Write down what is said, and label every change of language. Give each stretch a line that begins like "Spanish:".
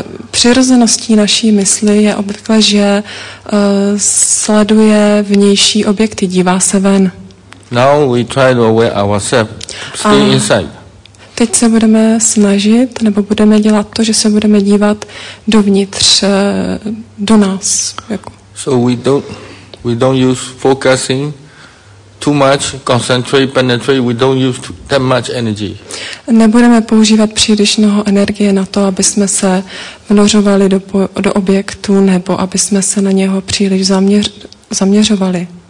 Czech: Přirozeností naší mysli je obvykle, že sleduje vnější objekty, dívá se ven.
English: Now we try to aware ourselves, stay inside.
Czech: Teď se budeme snažit, nebo budeme dělat to, že se budeme dívat dovnitř, do nás.
English: So we don't use focusing too much, concentrate, penetrate, we don't use that much energy.
Czech: Nebudeme používat příliš mnoho energie na to, aby jsme se vnořovali do objektu, nebo aby jsme se na něho příliš zaměřovali.